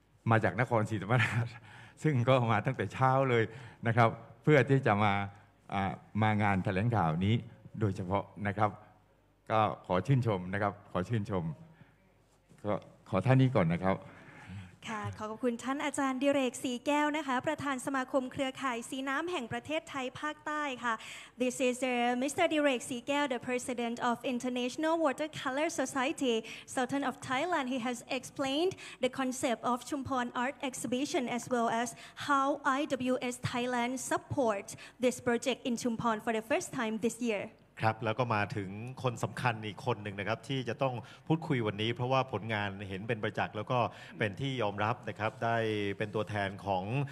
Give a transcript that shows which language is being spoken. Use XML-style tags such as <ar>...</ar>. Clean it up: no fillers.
<th>มาจากนครศรีธรรมราชซึ่งก็มาตั้งแต่เช้าเลยนะครับเพื่อที่จะมางานแถลงข่าวนี้โดยเฉพาะนะครับก็ขอชื่นชมนะครับขอชื่นชมก็ขอท่านนี้ก่อนนะครับ ค่ะขอบคุณท่านอาจารย์ดิเรกศรีแก้วนะคะประธานสมาคมเครือข่ายสีน้ำแห่งประเทศไทยภาคใต้ค่ะ</th> <en>This is Mr. ดิเรกศรีแก้ว the President of International Watercolor Society Sultan of Thailand he has explained the concept of Chumphon Art Exhibition as well as how IWS Thailand support this project in Chumphon for the first time this year</en> <th>ครับแล้วก็มาถึงคนสำคัญอีกคนหนึ่งนะครับที่จะต้องพูดคุยวันนี้เพราะว่าผลงานเห็นเป็นประจักษ์แล้วก็เป็นที่ยอมรับนะครับได้เป็นตัวแทนของ</th>